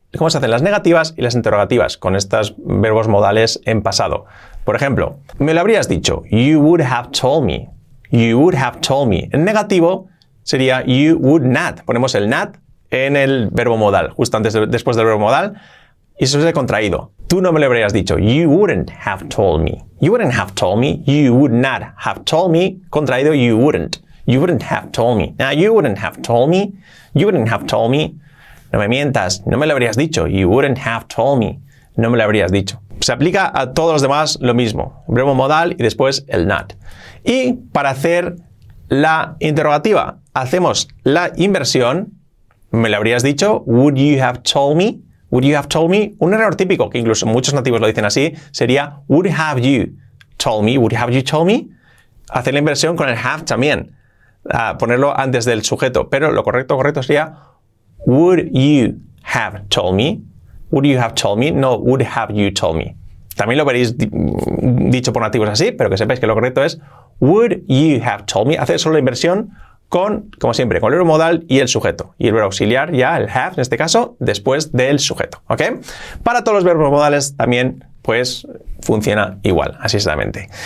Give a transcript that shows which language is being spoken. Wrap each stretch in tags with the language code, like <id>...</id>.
<es>¿Cómo se hacen las negativas y las interrogativas con estos verbos modales en pasado? Por ejemplo, me lo habrías dicho.</es> <en>You would have told me. You would have told me.</en> <es>En negativo sería</es> <en>you would not.</en> <es>Ponemos el not en el verbo modal, justo antes después del verbo modal. Y eso es el contraído. Tú no me lo habrías dicho.</es> <en>You wouldn't have told me. You wouldn't have told me. You would not have told me. Contraído, you wouldn't. You wouldn't have told me. Now, you wouldn't have told me. You wouldn't have told me.</en> <es>No me mientas, no me lo habrías dicho.</es> <en>You wouldn't have told me.</en> <es>No me lo habrías dicho. Se aplica a todos los demás lo mismo. Verbo modal y después el not. Y para hacer la interrogativa, hacemos la inversión. Me lo habrías dicho.</es> <en>Would you have told me? Would you have told me?</en> <es>Un error típico, que incluso muchos nativos lo dicen así, sería</es> <en>would have you told me? Would have you told me?</en> <es>Hacer la inversión con el have también. Ponerlo antes del sujeto. Pero lo correcto sería</es> <en>would you have told me? Would you have told me? No, would have you told me.</en> <es>También lo veréis dicho por nativos así, pero que sepáis que lo correcto es</es> <en>would you have told me?</en> <es>Hacer solo la inversión con, como siempre, con el verbo modal y el sujeto. Y el verbo auxiliar ya, el have, en este caso, después del sujeto. ¿Ok? Para todos los verbos modales también, pues, funciona igual, así exactamente.</es>